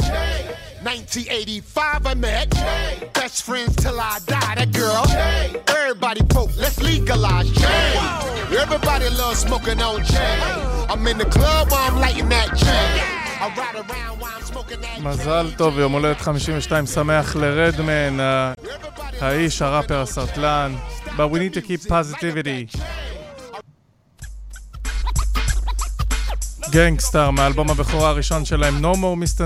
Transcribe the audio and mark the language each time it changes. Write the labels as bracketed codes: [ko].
[en] Hey. 1985 I met. Hey. Best friends till I die, that girl. Hey. Everybody poke, let's legalize J. Hey. Everybody loves smoking on J. Hey. I'm in the club while I'm lighting that J. Yeah. I ride around while I'm smoking that J. [he] מזל טוב, יום הולדת 52, שמח לרדמן, האיש, הראפר הסרטלן. [en] But we need to keep positivity. [he] גנגסטר מאלבום הבכורה הראשון שלהם No More Mr.